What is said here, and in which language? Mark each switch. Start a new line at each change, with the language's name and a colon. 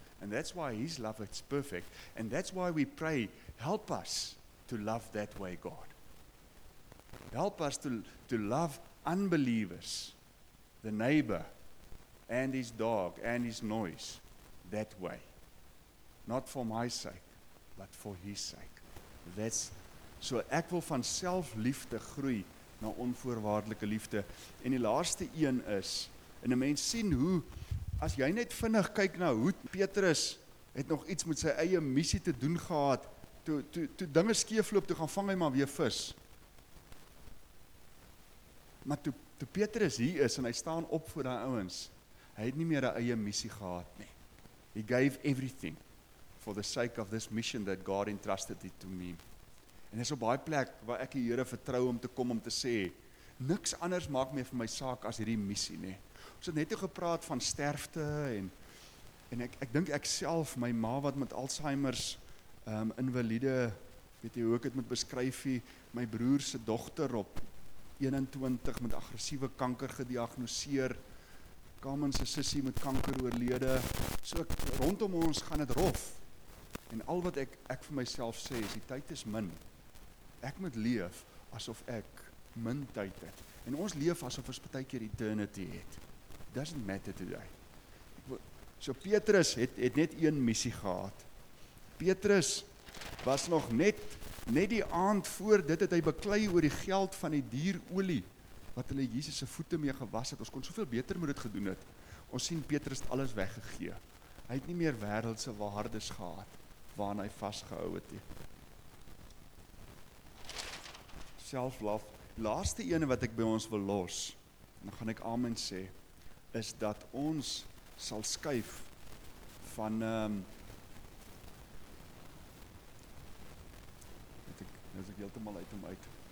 English: And that's why his love is perfect. And that's why we pray, help us to love that way, God. Help us to love unbelievers, the neighbor, and his dog, and his noise, that way. Not for my sake, but for his sake.
Afrikaans: That's, so ek wil van selfliefde groei na onvoorwaardelike liefde. En die laaste een is, en die mens sien hoe, as jy net vinnig kyk na hoe Petrus het nog iets met sy eie missie te doen gehad, toe dinge skeefloop, toe gaan vang hy maar weer vis. Maar toe Petrus hier is, en hy staan op voor die ouwens, hy het nie meer die eie missie gehad nie.
English: He gave everything for the sake of this mission that God entrusted it to me.
Afrikaans: En dis op baie plek waar ek die Here vertrou om te kom om te sê, niks anders maak meer vir my saak as hierdie missie nie. Ons het net toe gepraat van sterfte en ek dink ek self, my ma wat met Alzheimer's invalide, weet jy hoe ek het moet beskryf, my broer se dogter op 21 met aggressiewe kanker gediagnoseer, Kamen se sussie met kanker oorlede, so ek, rondom ons gaan het rof. En al wat ek vir myself sê is, die tyd is min. Ek moet leef asof ek min tyd het. En ons leef asof ons baie keer eternity het.
English: Doesn't matter today.
Afrikaans: So Petrus het net een missie gehad. Petrus was nog net die aand voor dit het hy beklei oor die geld van die dierolie wat hulle Jesus se voete mee gewas het. Ons kon soveel beter moet dit gedoen het. Ons sien Petrus het alles weggegee. Hy het nie meer wêreldse waardes gehad waaraan hy vasgehou het nie.
English: Self-love.
Afrikaans: Laaste ene wat ek by ons wil los, en dan gaan ek amen sê, is dat ons sal skuif van ek heeltemal uit om uit.